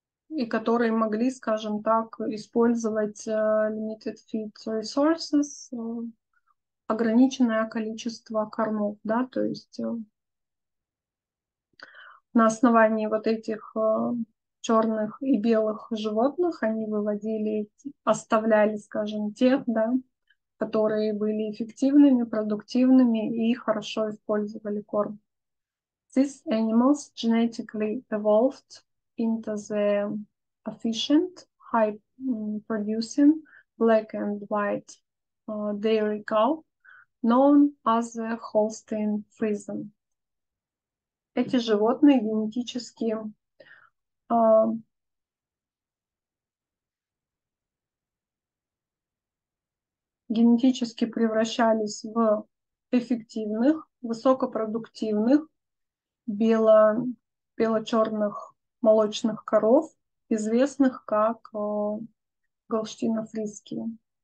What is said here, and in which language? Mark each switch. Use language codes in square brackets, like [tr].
[ru] и которые могли, скажем так, использовать [en] limited feed resources, [ru] ограниченное количество кормов, да, то есть на основании вот этих черных и белых животных они выводили, оставляли, скажем, тех, да, которые были эффективными, продуктивными и хорошо использовали корм. [en] These animals genetically evolved into the efficient, high-producing black and white dairy cow, known as the Holstein Friesian. [ru] Эти животные генетически генетически превращались в эффективных, высокопродуктивных, бело-черных молочных коров, известных как галштино-фризские.